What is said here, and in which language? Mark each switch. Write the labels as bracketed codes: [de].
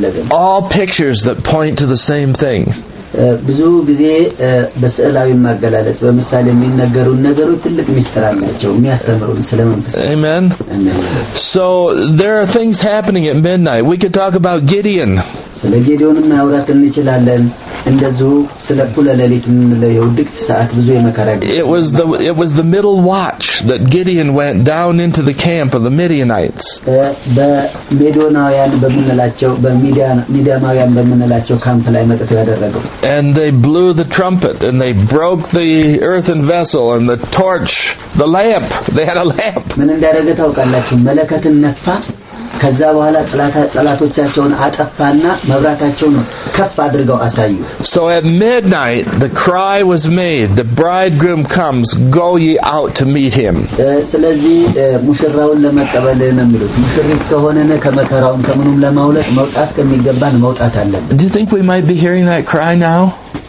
[en] All pictures that point to the same thing. [am] ብዙ ጊዜ በስዕላዊ ማገላለጽ በመሳሌ የሚነገሩ ነገሮች ትልቅ ምስጢር አላቸው የሚያስተምሩ ስለመንፈስ [en] Amen. So there are things happening at midnight. We could talk about Gideon. [am] ስለ ጌዲዮን ማውራት እንችላለን እንደዚሁ ስለ ኩለ ሌሊት የምንለየው ድቅት ሰዓት ብዙ የመከራ ጊዜ [en] It was the middle watch that Gideon went down into the camp of the Midianites. [am] በሜዶናውያን በመነላቸው በሚዲያማውያን በመነላቸው ካምፕ ላይ መጥተው ያደረገው [en] And they blew the trumpet and they broke the earthen vessel and the torch the lamp they had a lamp [am] ምን እንደደረገ ታውቃላችሁ መለከትን ነፋ ከዛ በኋላ ጥላቶቻቸውን አጠፋና መብራታቸውን ከ [en] So at midnight, the cry was made. The bridegroom comes, go ye out to meet him. Do you think we might be hearing that cry now?